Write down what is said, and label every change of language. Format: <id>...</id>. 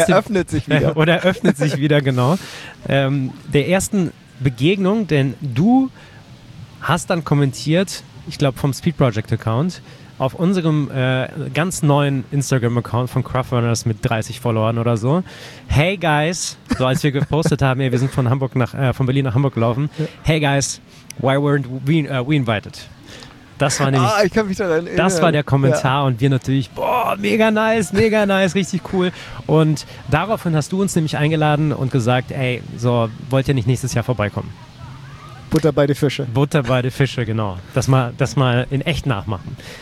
<de>Öffnet sich wieder, genau. Der ersten Begegnung, denn du hast dann kommentiert, ich glaube vom Speed Project Account, auf unserem ganz neuen Instagram-Account von Craftrunners mit 30 Followern oder so.</de> <en>Hey guys,</en> <de>so als wir gepostet haben, ey, wir sind von Berlin nach Hamburg gelaufen.</de> <en>Hey guys, why weren't we invited?</en> <de>Das war nämlich, ich kann mich daran erinnern. Das war der Kommentar, ja. Und wir natürlich, boah, mega nice, richtig cool. Und daraufhin hast du uns nämlich eingeladen und gesagt, ey, so, wollt ihr nicht nächstes Jahr vorbeikommen? Butter bei die Fische, genau. Das mal in echt nachmachen.</de>